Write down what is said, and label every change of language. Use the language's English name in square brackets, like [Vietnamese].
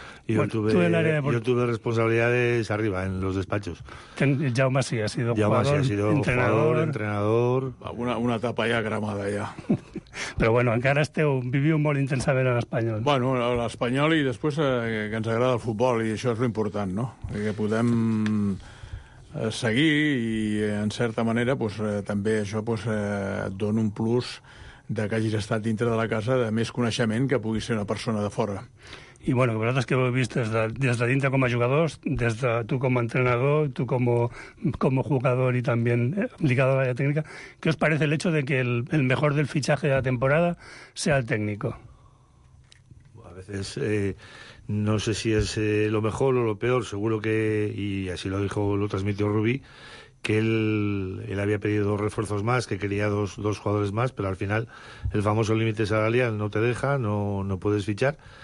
[Spanish] Yo tuve responsabilidades arriba, en los despachos. Jaume sí ha sido entrenador. Una etapa ya gramada ya. [Catalan] Però bueno, encara esteu vivint molt intensament a l'Espanyol. Bueno, a l'Espanyol i després que ens agrada el futbol, i això és l'important, no? Que podem seguir i, en certa manera, pues, també això pues, dona un plus de que hagis estat dintre de la casa, de més coneixement que puguis ser una persona de fora. [Spanish] Y bueno, vosotros que lo habéis visto desde dentro como jugadores, desde tú como entrenador, tú como jugador y también ligado a la técnica, ¿qué os parece el hecho de que el mejor del fichaje de la temporada sea el técnico? A veces no sé si es lo mejor o lo peor, seguro que, y así lo transmitió Rubí, que él había pedido dos refuerzos más, que quería dos jugadores más, pero al final el famoso límite salarial no te deja, no puedes fichar.